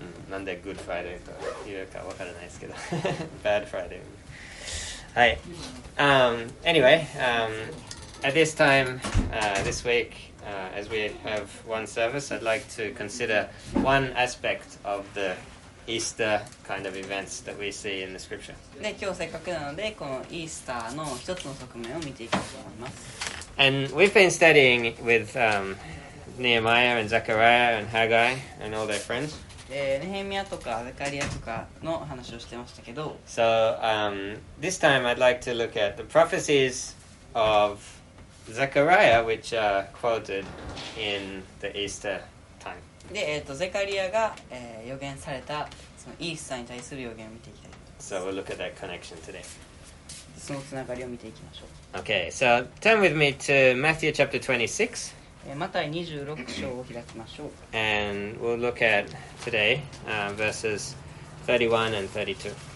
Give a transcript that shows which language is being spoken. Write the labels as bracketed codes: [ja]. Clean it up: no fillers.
[ja] なんで Good Friday というかわからないですけど [en] Bad Friday はい anyway at this time this week as we have one service I'd like to consider one aspect of the Easter kind of events that we see in the scripture [ja] で今日せっかくなのでこのイースターの一つの側面を見ていきたいと思います [en] and we've been studying with Nehemiah and Zechariah and Haggai and all their friends [ja] ネヘミヤとかゼカリアとかの話をしてましたけど [en] So, this time I'd like to look at the prophecies of Zechariah which are quoted in the Easter time [ja] で、ゼカリアが、予言されたそのイースターに対する予言を見ていきたい [en] So we'll look at that connection today [ja] そのつながりを見ていきましょう [en] Okay, so turn with me to Matthew chapter 26 [ja] また26章を開きましょう。 [en] And we'll look at today, verses 31 and 32.